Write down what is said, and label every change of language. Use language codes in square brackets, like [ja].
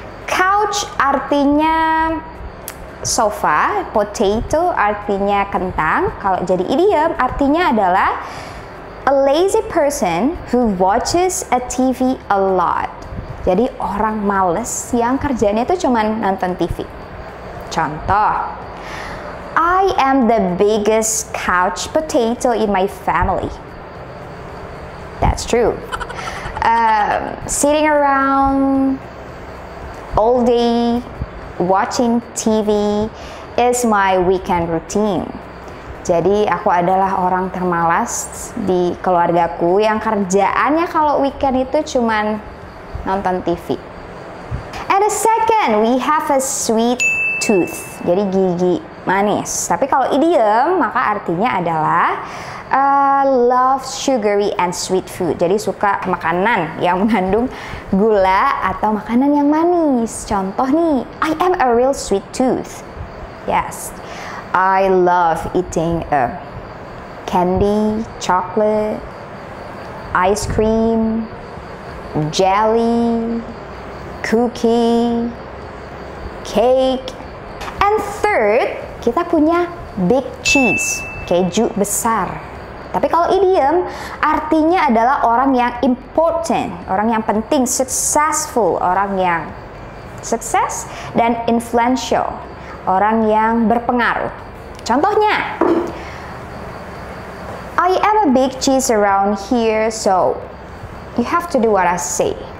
[id] Couch artinya sofa, potato artinya kentang. Kalau jadi idiom artinya adalah [en] a lazy person who watches a TV a lot. [id] Jadi orang males yang kerjanya itu cuma nonton TV. Contoh, [en] I am the biggest couch potato in my family. That's true. Sitting around all day watching TV is my weekend routine. [id] Jadi aku adalah orang termalas di keluargaku yang kerjaannya kalau weekend itu cuman nonton TV. [en] And the second, we have a sweet tooth. [id] Jadi gigi manis. Tapi kalau idiom maka artinya adalah [en] love sugary and sweet food. [id] Jadi suka makanan yang mengandung gula atau makanan yang manis. Contoh nih, [en] I am a real sweet tooth. Yes, I love eating candy, chocolate, ice cream, jelly, cookie, cake. And third, [id] kita punya [en] big cheese, [id] keju besar. Tapi kalau idiom, artinya adalah orang yang important, orang yang penting, successful, orang yang sukses dan influential, orang yang berpengaruh. Contohnya, [en] I am a big cheese around here, so you have to do what I say.